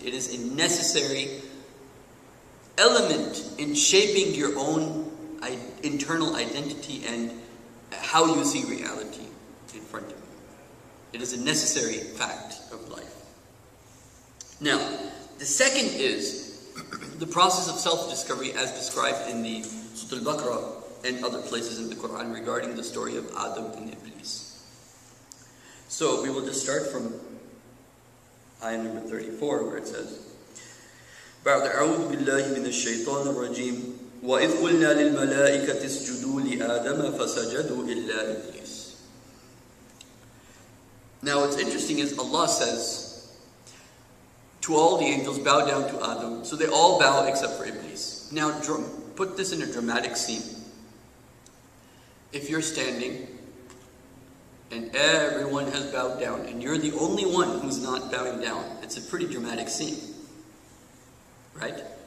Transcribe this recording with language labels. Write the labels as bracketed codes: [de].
[en] It is a necessary element in shaping your own internal identity and how you see reality in front of you. It is a necessary fact of life. Now, the second is the process of self-discovery as described in the Surah Al-Baqarah and other places in the Quran regarding the story of Adam and Iblis. So we will just start from ayah number 34 where it says, [ar] بعد أعوذ بالله من الشيطان الرجيم وإذ قلنا للملائكة اسجدوا لآدم فسجدوا إلا إبليس. [en] Now what's interesting is Allah says to all the angels, bow down to Adam. So they all bow except for Iblis. Now put this in a dramatic scene. If you're standing and everyone has bowed down and you're the only one who's not bowing down, it's a pretty dramatic scene. Right?